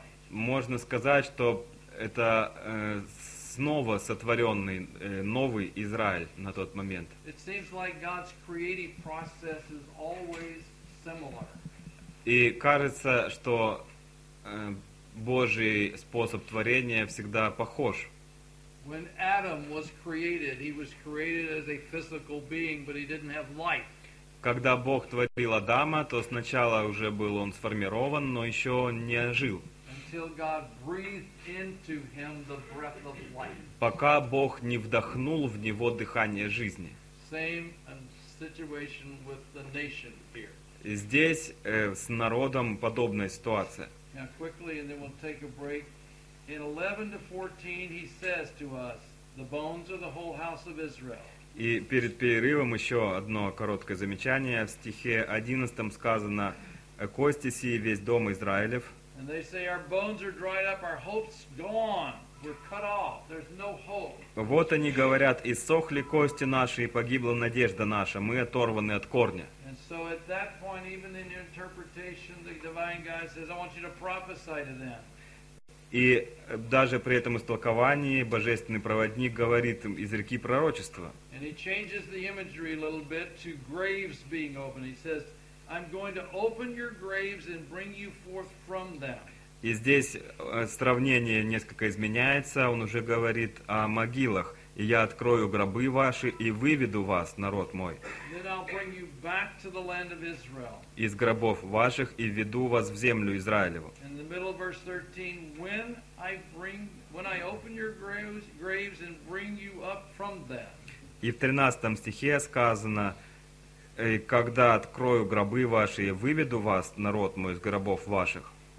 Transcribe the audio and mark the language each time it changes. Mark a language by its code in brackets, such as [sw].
[ru] Можно сказать, что это снова сотворенный новый Израиль на тот момент. [en] It seems like God's creative process is always similar. [ru] И кажется, что Божий способ творения всегда похож. [en] When Adam was created, he was created as a physical being, but he didn't have life. [ru] Когда Бог творил Адама, то сначала уже был он сформирован, но еще не ожил. [en] Until God breathed into him the breath of life. [ru] Пока Бог не вдохнул в него дыхание жизни. [en] Same situation with the nation here. [ru] Здесь с народом подобная ситуация. [en] Now quickly, and then we'll take a break. In 11 to 14, he says to us, the bones are the whole house of Israel. [ru] И перед перерывом еще одно короткое замечание. В стихе 11 сказано: «Кости сии весь дом Израилев». [en] And they say, our bones are dried up, our hope's gone, we're cut off, there's no hope. [ru] Вот они говорят, иссохли кости наши, и погибла надежда наша, мы оторваны от корня. [en] And so at that point, even in the interpretation, the divine God says, I want you to prophesy to them. [ru] И даже при этом истолковании божественный проводник говорит им, изреки пророчество. [en] And he changes the imagery a little bit to graves being opened. He says, I'm going to open your graves and bring you forth from them. [ru] И здесь сравнение несколько изменяется. Он уже говорит о могилах. И я открою гробы ваши и выведу вас, народ мой. [en] Then I'll bring you back to the land of Israel. [ru] Из гробов ваших и введу вас в землю Израилеву. [en] In the middle of verse 13, when I open your graves and bring you up from them. [ru] И в 13 стихе сказано: и когда открою гробы ваши, я выведу вас, народ мой, из гробов ваших.